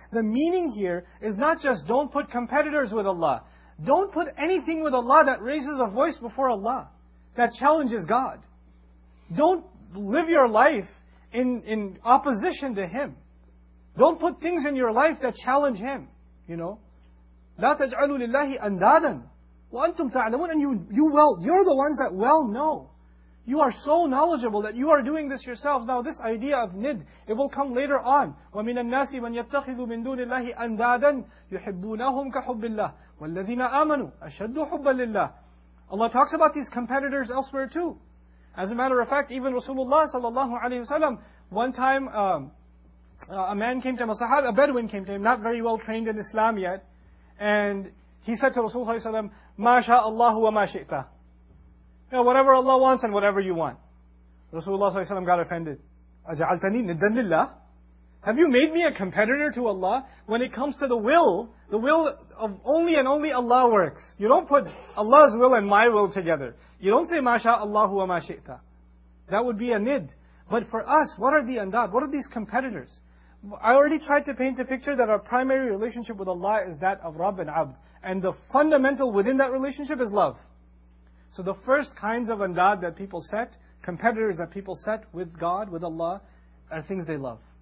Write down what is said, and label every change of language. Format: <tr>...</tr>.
<en>The meaning here is not just don't put competitors with Allah. Don't put anything with Allah that raises a voice before Allah, that challenges God. Don't live your life in opposition to Him. Don't put things in your life that challenge Him, you know.</en> <ar>لا تجعلوا لله أندادا وأنتم تعلمون.</ar> <en>And you're the ones that well know. You are so knowledgeable that you are doing this yourselves. Now this idea of nid, it will come later on.</en> <ar>وَمِنَ النَّاسِ مَنْ يَتَّخِذُ مِنْ دُونِ اللَّهِ أَنْدَادًا يُحِبُّونَهُمْ كَحُبِّ اللَّهِ وَالَّذِينَ آمَنُوا أَشَدُّ حُبًّا لِلَّهِ.</ar> <en>Allah talks about these competitors elsewhere too. As a matter of fact, even Rasulullah sallallahu alayhi wasallam, one time, a man came to him, a Bedouin came to him, not very well trained in Islam yet. And he said to Rasulullah ﷺ,</en> <ar>مَا شَاءَ اللَّهُ وَمَا شَئْتَ.</ar> <en>You know, whatever Allah wants and whatever you want. Rasulullah ﷺ got offended.</en> <ar>أَجَعَلْتَنِي نِدًّا لِلَّهِ.</ar> <en>Have you made me a competitor to Allah? When it comes to the will of only and only Allah works. You don't put Allah's will and my will together. You don't say,</en> <ar>مَا شَاءَ اللَّهُ وَمَا شَئْتَ.</ar> <en>That would be a nid. But for us, what are the andad? What are these competitors? I already tried to paint a picture that our primary relationship with Allah is that of Rabb and Abd. And the fundamental within that relationship is love. So the first kinds of andad that people set, competitors that people set with God, with Allah, are things they love.</en>